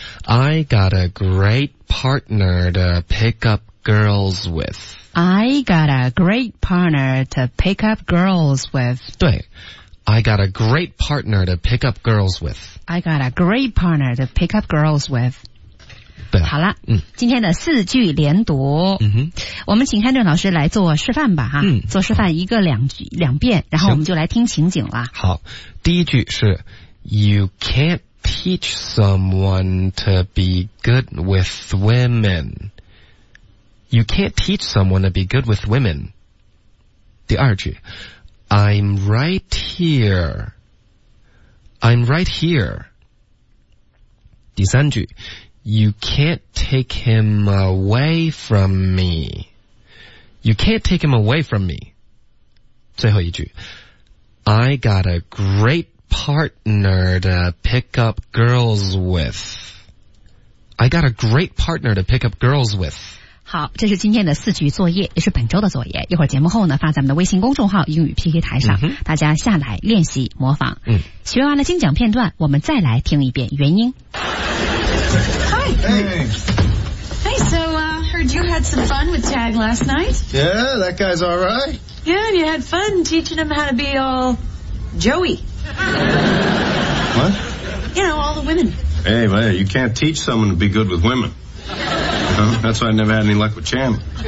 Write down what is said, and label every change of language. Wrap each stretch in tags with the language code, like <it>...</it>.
<en>I got a great partner to pick up girls with. I got a great partner to pick up girls with.</en> <zh>对。</zh> <en>I got a great partner to pick up girls with. I got a great partner to pick up girls with.</en> <zh>对好了、今天的四句连读、我们请汉正老师来做示范吧哈、做示范一个两遍然后我们就来听情景了。好第一句是</zh> <en>You can't teach someone to be good with women. You can't teach someone to be good with women.</en> <zh>第二句</zh> <en>I'm right here. I'm right here.</en> <zh>第三句</zh> <en>You can't take him away from me. You can't take him away from me.</en> <zh>最后一句</zh> <en>I got a great partner to pick up girls with. I got a great partner to pick up girls with.</en> <zh>好这是今天的四句作业也是本周的作业一会儿节目后呢发咱们的微信公众号英语 PK 台上、大家下来练习模仿、学完了精讲片段我们再来听一遍原因</zh> <en>Hi Hey so heard you had some fun with Tag last night Yeah that guy's alright Yeah you had fun teaching him how to be all Joey What? You know all the women Hey man you can't teach someone to be good with womenThat's why I never had any luck with Chandler.</en>